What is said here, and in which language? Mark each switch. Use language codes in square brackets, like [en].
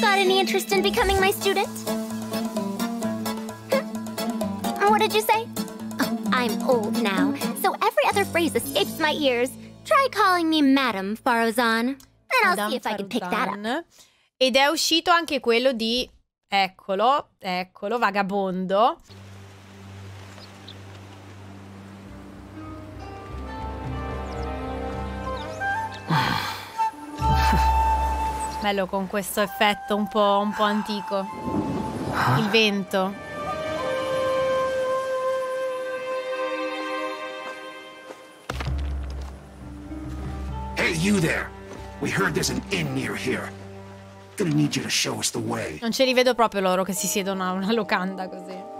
[en] Got any interest in becoming my student? What did you say? Oh, I'm old now. So every other phrase escapes my ears. Try calling me Madame Faruzan. And I'll see if I can pick that up. [it] Ed è uscito anche quello di, eccolo, eccolo, Vagabondo. Bello con questo effetto un po' antico. Il vento. [en] You there. We heard there's an inn near here. Gonna need you to show us the way. [it] Non ce li vedo proprio loro che si siedono a una locanda così.